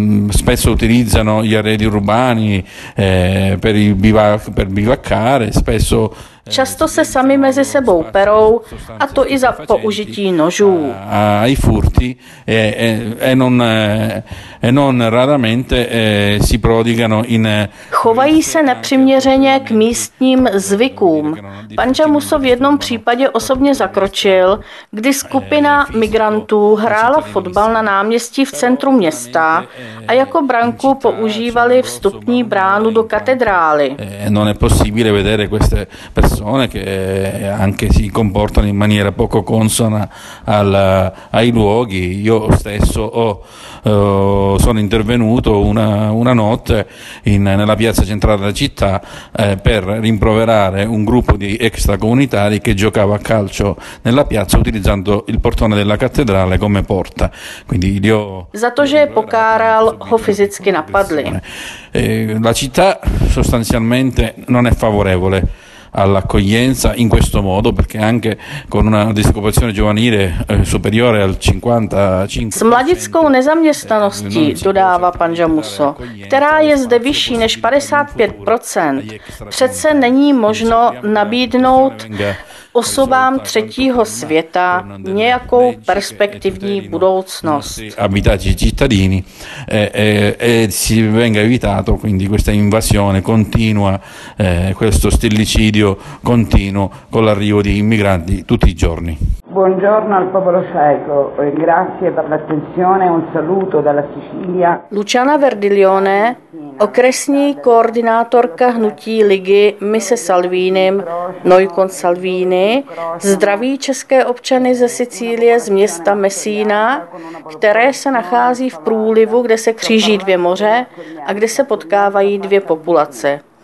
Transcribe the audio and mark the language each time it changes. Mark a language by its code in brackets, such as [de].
[it] Spesso utilizzano gli arredi urbani per bivaccare, spesso. [cs] Často se sami mezi sebou perou, a to i za použití nožů. [it] A i furti e non raramente si prodigano in. [cs] Chovají se nepřiměřeně k místním zvykům. Pan Giammusso v jednom případě osobně zakročil, kdy skupina migrantů hrála fotbal na náměstí v centru města a jako branku používali vstupní bránu do katedrály. [it] Non è possibile vedere queste persone che anche si comportano in maniera poco consona ai luoghi. Io stesso sono intervenuto una notte nella piazza centrale della città per rimproverare un gruppo di extracomunitari che giocava a calcio nella piazza utilizzando il portone della cattedrale come porta. Quindi io [cs] za to, že pokáral, ho fyzicky napadli. [it] La città sostanzialmente non è favorevole all'accoglienza in questo modo perché anche con una disoccupazione giovanile superiore al 55%. [cs] S mladickou nezaměstnaností, dodává pan Giammusso, která je zde vyšší než 55%, přece není možno nabídnout osobám třetího světa nějakou perspektivní budoucnost. [it] Abitati cittadini e si venga evitato quindi questa invasione continua questo stillicidio continuo con l'arrivo di immigranti tutti i giorni. Buongiorno al popolo ceco, grazie per l'attenzione, un saluto dalla Sicilia. [cs] Luciana Verdiglione, okresní koordinátorka hnutí Ligy My se Salvínem, Noi con Salvini, zdraví české občany ze Sicílie z města Messina, které se nachází v průlivu, kde se kříží dvě moře a kde se potkávají dvě populace.